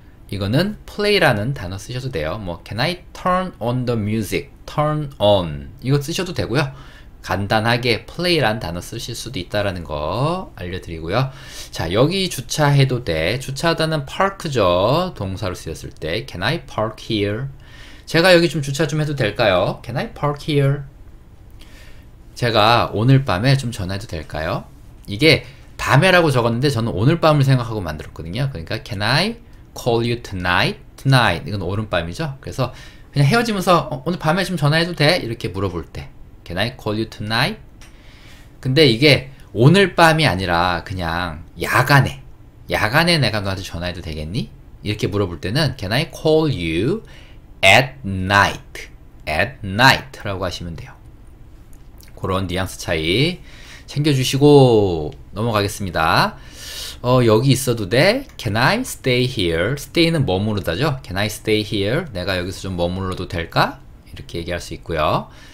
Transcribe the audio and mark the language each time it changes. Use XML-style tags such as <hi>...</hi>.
<ko>이거는 play라는 단어 쓰셔도 돼요.</ko> <en>뭐 Can I turn on the music? Turn on</en> <ko>이거 쓰셔도 되고요. 간단하게 play란 단어 쓰실 수도 있다라는 거 알려드리고요. 자, 여기 주차해도 돼. 주차하다는 park죠. 동사로 쓰였을 때</ko> <en>Can I park here?</en> <ko>제가 여기 좀 주차 좀 해도 될까요?</ko> <en>Can I park here?</en> <ko>제가 오늘 밤에 좀 전화해도 될까요? 이게 밤에라고 적었는데 저는 오늘 밤을 생각하고 만들었거든요.</ko> <en>그러니까 Can I call you tonight?</en> <ko>Tonight 이건 오른밤이죠. 그래서 그냥 헤어지면서 오늘 밤에 좀 전화해도 돼? 이렇게 물어볼 때</ko> <en>Can I call you tonight?</en> <ko>근데 이게 오늘 밤이 아니라 그냥 야간에 내가 너한테 전화해도 되겠니? 이렇게 물어볼 때는</ko> <en>Can I call you at night? At night</en> <ko>라고 하시면 돼요. 그런 뉘앙스 차이 챙겨주시고 넘어가겠습니다. 여기 있어도 돼?</ko> <en>Can I stay here?</en> <ko>Stay는 머무르다죠?</ko> <en>Can I stay here?</en> <ko>내가 여기서 좀 머물러도 될까? 이렇게 얘기할 수 있고요.</ko>